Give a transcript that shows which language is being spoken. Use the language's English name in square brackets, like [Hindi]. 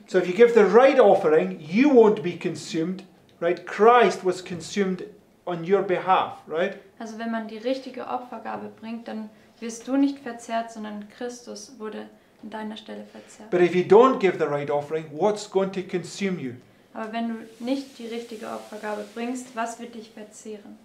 [English] So if you give the right offering, you won't be consumed, right? Christ was consumed on your behalf, right? [German] Also wenn man die richtige Opfergabe bringt, dann wirst du nicht verzehrt, sondern Christus wurde an deiner Stelle verzehrt. [English] But if you don't give the right offering, what's going to consume you? [German] Aber wenn du nicht die richtige Opfergabe bringst, was wird dich verzehren?